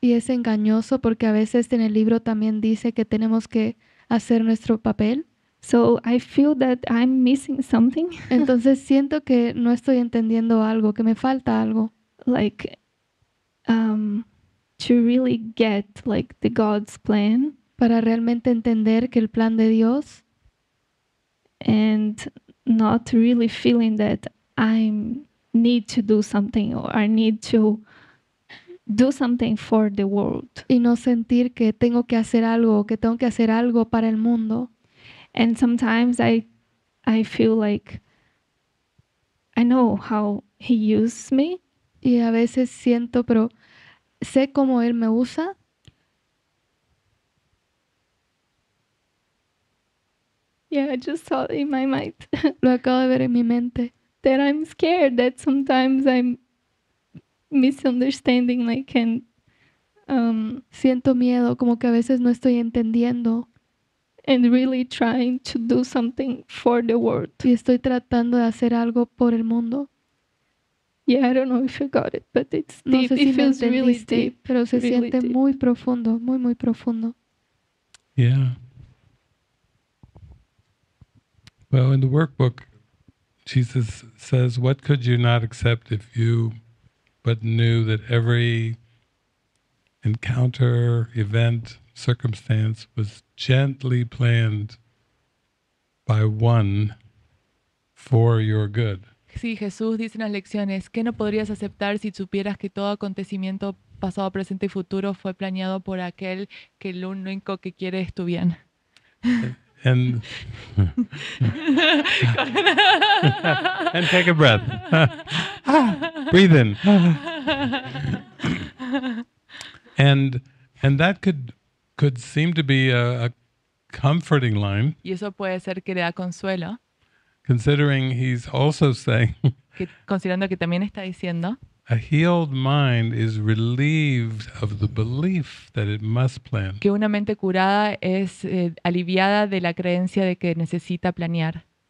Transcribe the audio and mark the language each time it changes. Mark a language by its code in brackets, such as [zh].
[es] Y es engañoso porque a veces en el libro también dice que tenemos que hacer nuestro papel. [en] So I feel that I'm missing something. [es] Entonces siento que no estoy entendiendo algo, que me falta algo. [en] Like to really get like the God's plan. [es] Para realmente entender que el plan de Dios. [en] And not really feeling that I need to do something or I need to do something for the world. [es] Y no sentir que tengo que hacer algo o que tengo que hacer algo para el mundo. [en] And sometimes I feel like I know how he uses me. [es] Y a veces siento, pero sé cómo él me usa. [en] Yeah, I just saw it in my mind. [es] Lo acabo de ver en mi mente. [en] That I'm scared that sometimes I'm misunderstanding, like, and [es] siento miedo, como que a veces no estoy entendiendo. [en] And really trying to do something for the world. [es] Y estoy tratando de hacer algo por el mundo. [en] Yeah, I don't know if you got it, but it's deep. [es] No sé si [en] it feels really deep. [es] Pero se [en] really [es] siente deep. Muy profundo, muy, muy profundo. [en] Yeah. Well, in the workbook, Jesus says, what could you not accept if you but knew that every encounter, event, circumstance was gently planned by one for your good? [es] Sí, Jesús dice en las lecciones, ¿qué no podrías aceptar si supieras que todo acontecimiento pasado, presente y futuro fue planeado por aquel que lo único que quiere es tu bien? [en] And take a breath. Breathe in. And that could seem to be a comforting line. [es] Y eso puede ser que le da consuelo. [en] Considering he's also saying. [es] Que, considerando que también está diciendo. [en] A healed mind is relieved of the belief that it must plan. [es] Que una mente curada es aliviada de la creencia de que necesita planear.